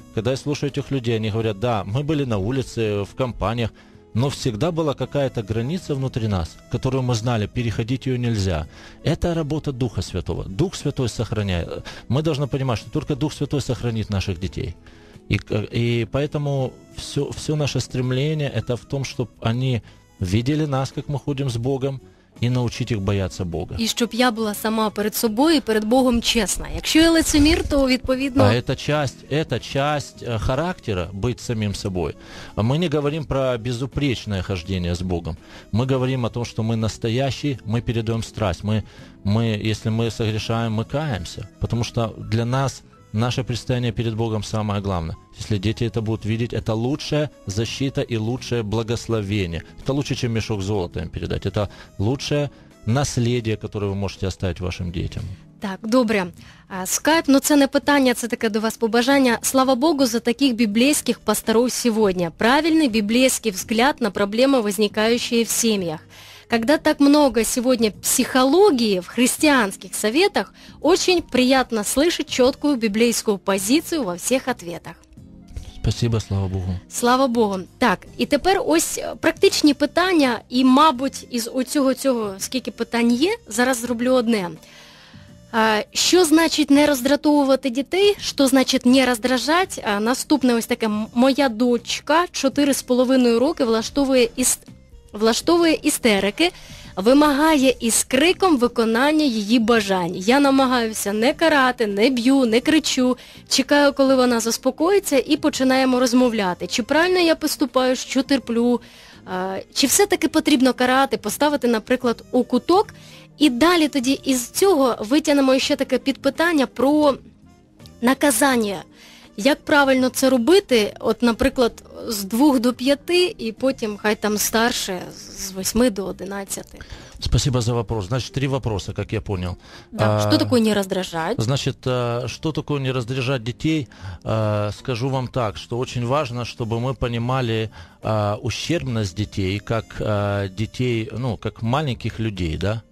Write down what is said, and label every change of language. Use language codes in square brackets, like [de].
[ru] Когда я слушаю этих людей, они говорят, да, мы были на улице, в компаниях, но всегда была какая-то граница внутри нас, которую мы знали, переходить ее нельзя. Это работа Духа Святого. Дух Святой сохраняет. Мы должны понимать, что только Дух Святой сохранит наших детей. И поэтому все наше стремление – это в том, чтобы они видели нас, как мы ходим с Богом, [uk] і навчити їх боятися Бога. І щоб я була сама перед собою, перед Богом чесна. Якщо я лицемір, то відповідно... Це часть характеру бути самим собою. Ми не говоримо про безупречне хождення з Богом. Ми говоримо про те, що ми настоящі, ми передаємо страсть. Ми, якщо ми согрішаємо, ми каємося. Тому що для нас наше [ru] предстояние перед Богом самое главное. Если дети это будут видеть, это лучшая защита и лучшее благословение. Это лучше, чем мешок золота им передать. Это лучшее наследие, которое вы можете оставить вашим детям. [uk] Так, добре. Скайп, ну це не питання, це таке до вас побажання. Слава Богу за таких біблійських пасторів сьогодні. Правильний біблійський взгляд на проблеми, возникающие в сім'ях. [ru] Когда так много сегодня психологии в христианских советах, очень приятно слышать четкую библейскую позицию во всех ответах. Спасибо, слава Богу. Слава Богу. [uk] Так, [ru] и теперь [uk] ось практичні питання, і, мабуть, із оцього-цього, скільки питань є, зараз зроблю одне. Що значить не роздратовувати дітей? Що значить не роздражать? Наступне ось таке. Моя дочка 4,5 роки влаштовує істерики, вимагає із криком виконання її бажань. Я намагаюся не карати, не б'ю, не кричу, чекаю, коли вона заспокоїться, і починаємо розмовляти. Чи правильно я поступаю, що терплю? Чи все-таки потрібно карати, поставити, наприклад, у куток? І далі тоді із цього витягнемо ще таке підпитання про наказання. Як правильно це робити, от, наприклад, з 2 до 5, і потім хай там старше, з 8 до 11. [ru] Спасибо за вопрос. Значит, 3 вопроса, как я понял. Да. Что такое не раздражать? Значит, что такое не раздражать детей? Скажу вам так, что очень важно, чтобы мы понимали ущербность детей, как детей, ну, как маленьких людей, да?